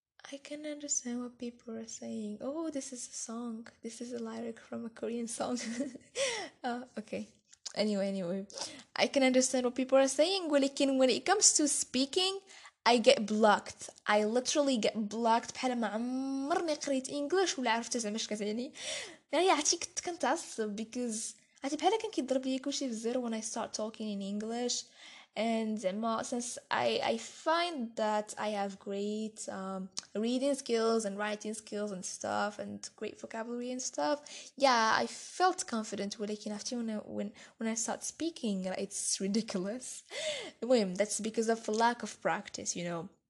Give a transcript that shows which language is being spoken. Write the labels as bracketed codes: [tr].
[en] I can understand what people are saying. Oh, this is a song. This is a lyric from a Korean song. okay. Anyway, I can understand what people are saying. ولكن when it comes to speaking, I get blocked. I literally get blocked. [ar] بحال ما عمرني قريت English ولا عرفت زعما اش كتعني. يعني عرفتي كنت كنتعصب because عرفتي بحال كان كيضرب ليا كلشي في الزير [en] when I start talking in English. And since I find that I have great reading skills and writing skills and stuff and great vocabulary and stuff, yeah, I felt confident with it after when I start speaking. It's ridiculous. Well, that's because of lack of practice, you know.